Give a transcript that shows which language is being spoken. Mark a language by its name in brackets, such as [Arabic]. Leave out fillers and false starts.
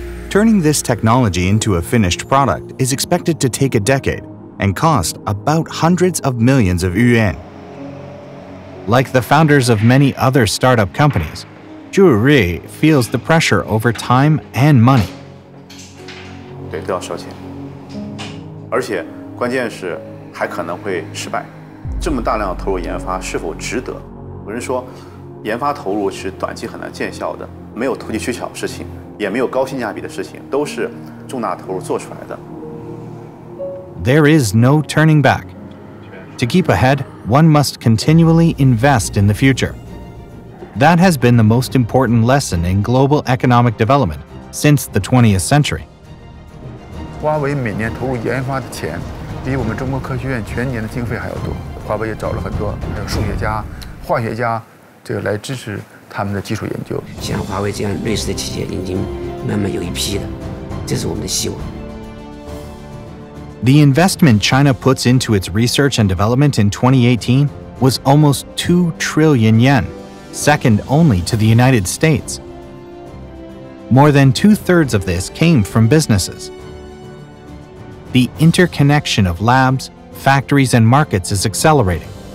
[English] Turning this technology into a finished product is expected to take a decade and cost about hundreds of millions of yuan. Like the founders of many other startup companies, Zhu Rei feels the pressure over time and money. [Chinese] 对，都要烧钱，而且关键是还可能会失败。这么大量投入研发是否值得？有人说。研发投入是短期很难见效的，没有投机取巧的事情，也没有高性价比的事情，都是重大投入做出来的。 [English] There is no turning back. To keep ahead, one must continually invest in the future. That has been the most important lesson in global economic development since the 20th century. [Chinese] 华为每年投入研发的钱，比我们中国科学院全年的经费还要多。华为也找了很多，还有数学家、化学家。这个来支持他们的技术研究，像华为这样瑞士的企业已经慢慢有一批的，这是我们的希望。 [English] The investment China puts into its research and development in 2018 was almost 2 trillion yen, second only to the United States. More than two-thirds of this came from businesses. The interconnection of labs, factories, and markets is accelerating.